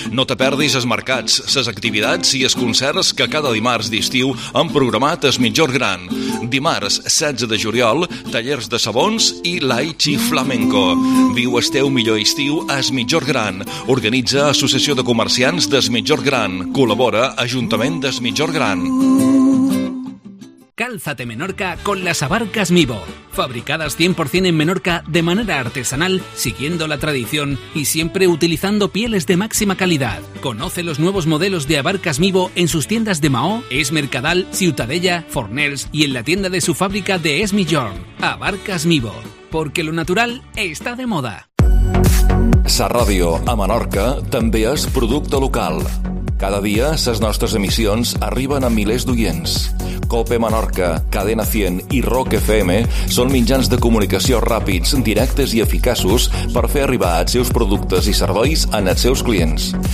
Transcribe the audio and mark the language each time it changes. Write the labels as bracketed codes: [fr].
[ca] No te perdis els mercats, les activitats i els concerts que cada dimarts d'estiu han programat es migjorn gran. Dimarts, 16 de juliol, tallers de sabons i l'aichi flamenco. Viu el teu millor estiu a es migjorn gran. Organitza Associació de Comerciants d'es migjorn gran. Col·labora Ajuntament d'es migjorn gran. [es] Cálzate Menorca con las abarcas Mibo, fabricadas 100% en Menorca de manera artesanal, siguiendo la tradición y siempre utilizando pieles de máxima calidad. Conoce los nuevos modelos de abarcas Mibo en sus tiendas de Mahó, Es Mercadal, Ciutadella, Fornells y en la tienda de su fábrica de Es Migjorn. Abarcas Mibo, porque lo natural está de moda. [ca] Sa Ràdio a Menorca també és producte local. Cada dia les nostres emissions arriben a milers d'oients. COPE Menorca, Cadena 100 i Rock FM són mitjans de comunicació ràpids, directes i eficaços per fer arribar els seus productes i serveis en els seus clients.